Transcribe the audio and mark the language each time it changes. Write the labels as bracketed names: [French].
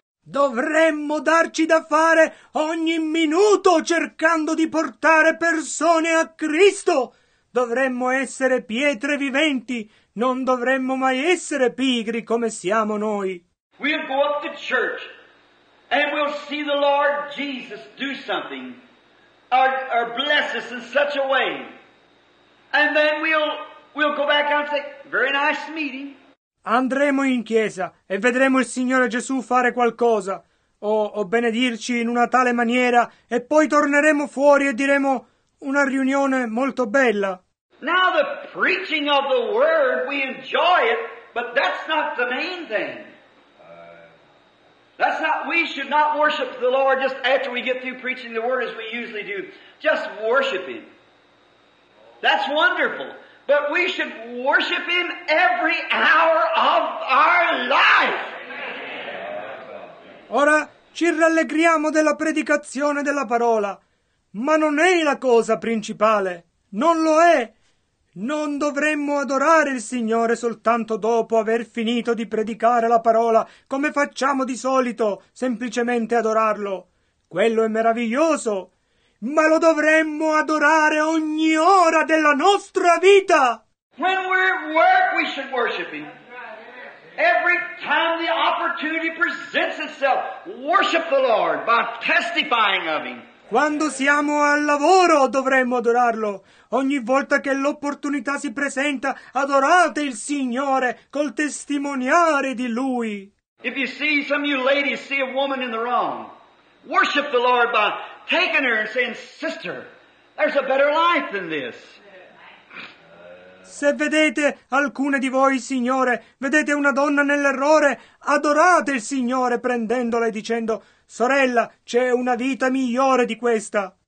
[Italian] Dovremmo darci da fare ogni minuto cercando di portare persone a Cristo. Dovremmo essere pietre viventi, non dovremmo mai essere pigri come siamo noi. [English] We'll go up to church and we'll see the Lord Jesus do something or bless us in such a way. And then we'll We'll go back and say, very nice meeting. [Italian] Andremo in chiesa e vedremo il Signore Gesù fare qualcosa o benedirci in una tale maniera e poi torneremo fuori e diremo una riunione molto bella. [English] Now the preaching of the word, we enjoy it, but that's not the main thing. That's not, we should not worship the Lord just after we get through preaching the word as we usually do. Just worship Him. That's wonderful. But we should worship Him every hour of our life. [Italian] Ora ci rallegriamo della predicazione della parola, ma non è la cosa principale. Non lo è. Non dovremmo adorare il Signore soltanto dopo aver finito di predicare la parola, come facciamo di solito, semplicemente adorarlo. Quello è meraviglioso. Ma lo dovremmo adorare ogni ora della nostra vita. [English] When we're at work, we should worship Him. Every time the opportunity presents itself, worship the Lord by testifying of Him. [Italian] Quando siamo al lavoro, dovremmo adorarlo. Ogni volta che l'opportunità si presenta, adorate il Signore col testimoniare di Lui. [English] If you see some of you ladies see a woman in the wrong, worship the Lord by taking her and saying, sister, there's a better life than this. [Italian] Se vedete alcune di voi, Signore, vedete una donna nell'errore, adorate il Signore prendendola e dicendo, sorella, c'è una vita migliore di questa.